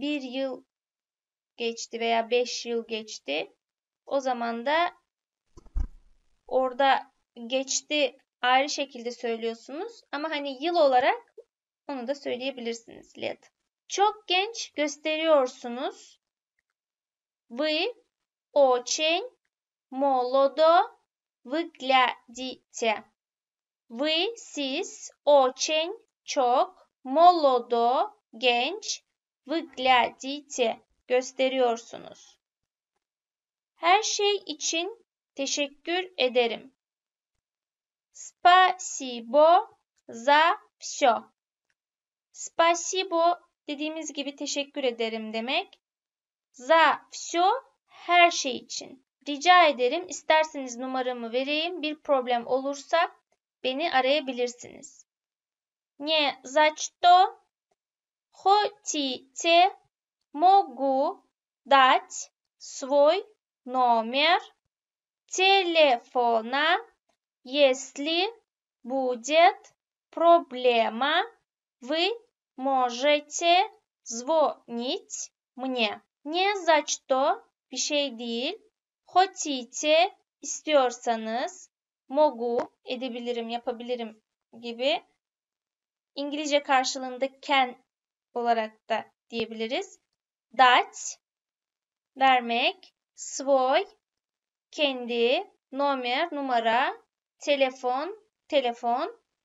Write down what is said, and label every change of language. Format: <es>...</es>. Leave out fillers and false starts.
<tr>Bir yıl geçti veya beş yıl geçti. O zaman da orada geçti ayrı şekilde söylüyorsunuz. Ama hani yıl olarak onu da söyleyebilirsiniz. Let. Çok genç gösteriyorsunuz.</tr> <ru>Вы очень молодо выглядите. Вы</ru> <tr>siz</tr> <ru>очень</ru> <tr>çok</tr> <ru>молодо,</ru> <tr>genç,</tr> <ru>выглядите,</ru> <tr>gösteriyorsunuz. Her şey için teşekkür ederim.</tr> <ru>Спасибо за все. Спасибо</ru> <tr>dediğimiz gibi teşekkür ederim demek.</tr> <ru>За все</ru> <tr>her şey için. Rica ederim, isterseniz numaramı vereyim. Bir problem olursa beni arayabilirsiniz.</tr> <ru>Не за что хотите могу дать свой номер телефона, если будет проблема, вы можете звонить мне. Не за что,</ru> <tr>bir şey değil,</tr> <ru>хотите,</ru> <tr>istiyorsanız,</tr> <ru>могу,</ru> <tr>edebilirim, yapabilirim gibi. İngilizce karşılığında can olarak da diyebiliriz.</tr> <ru>Dać,</ru> <tr>vermek,</tr> <ru>svoy,</ru> <tr>kendi,</tr> <ru>nomer,</ru> <tr>numara, telefon, telefon.</tr>